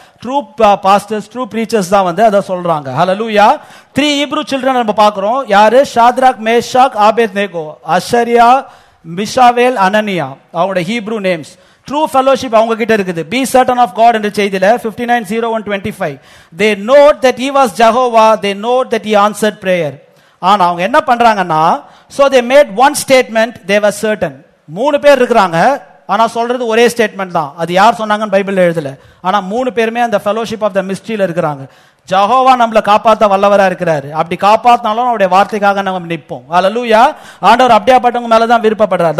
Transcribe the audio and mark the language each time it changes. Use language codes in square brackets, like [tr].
[ta] True pastors, true preachers தான் வந்து அதை சொல்றாங்க. ஹல்லேலூயா. 3 ஹீப்ரூ சில்ட்ரன் நம்ம பாக்குறோம். யாரு, ஷாத்ராக், மேஷாக், ஆபேத்நேகோ, அஷரியா, மிஷாவேல், அனனியா, அவங்களோட ஹீப்ரூ நேம்ஸ். True fellowship அவங்க கிட்ட இருக்குது. Be certain of God என்ற செய்தியில 59:01-25. [en] They know that he was Jehovah, they know that he answered prayer. [ta] ஆனா அவங்க என்ன பண்றாங்கன்னா, [en] so they made one statement, they were certain. [ta] மூணு பேர் இருக்கிறாங்க, ஆனா சொல்றது ஒரே ஸ்டேட்மெண்ட் தான். அது யார் சொன்னாங்கன்னு பைபிள் எழுதல. ஆனா மூணு பேருமே அந்த fellowship of the mystery-ல இருக்கிறாங்க. ஜஹோவா நம்மளை காப்பாத்த வல்லவரா இருக்கிறாரு. அப்படி காப்பாத்தினாலும் அவருடைய வார்த்தைக்காக நம்ம நிற்போம். ஹல்லேலூயா. ஆண்டவர் அப்படியாப்பட்டவங்க மேலதான் விருப்பப்படுறார்.